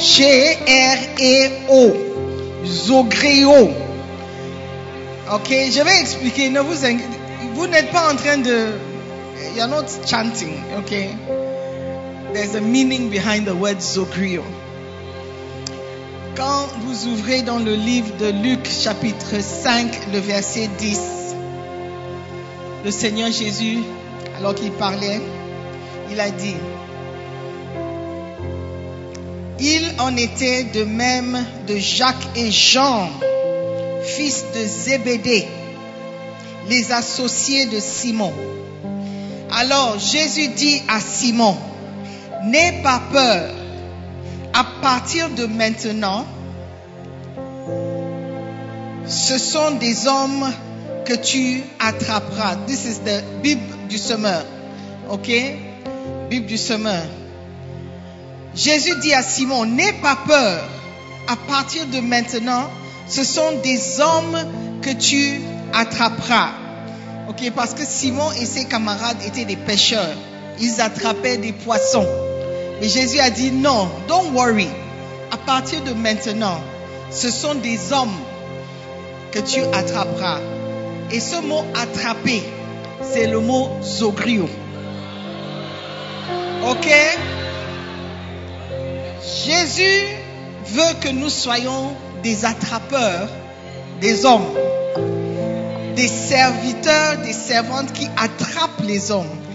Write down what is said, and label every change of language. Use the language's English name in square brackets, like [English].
[French] Z-O-G-R-E-O. Zogrio. Ok, je vais expliquer. Vous n'êtes pas en train de... [English] You're not chanting, ok? There's a meaning behind the word Zogrio. [French] Quand vous ouvrez dans le livre de Luc, chapitre 5, le verset 10, le Seigneur Jésus, alors qu'il parlait, il a dit: il en était de même de Jacques et Jean, fils de Zébédée, les associés de Simon. Alors Jésus dit à Simon: n'aie pas peur, à partir de maintenant, ce sont des hommes que tu attraperas. [English] This is the Bible du semeur. Ok? Bible du semeur. [French] Jésus dit à Simon: n'aie pas peur, à partir de maintenant, ce sont des hommes que tu attraperas. Ok? Parce que Simon et ses camarades étaient des pêcheurs. Ils attrapaient des poissons. Mais Jésus a dit: non, [English] don't worry. [French] À partir de maintenant, ce sont des hommes que tu attraperas. Et ce mot attraper, c'est le mot zogrio. Ok? Jésus veut que nous soyons des attrapeurs, des hommes, des serviteurs, des servantes qui attrapent les hommes.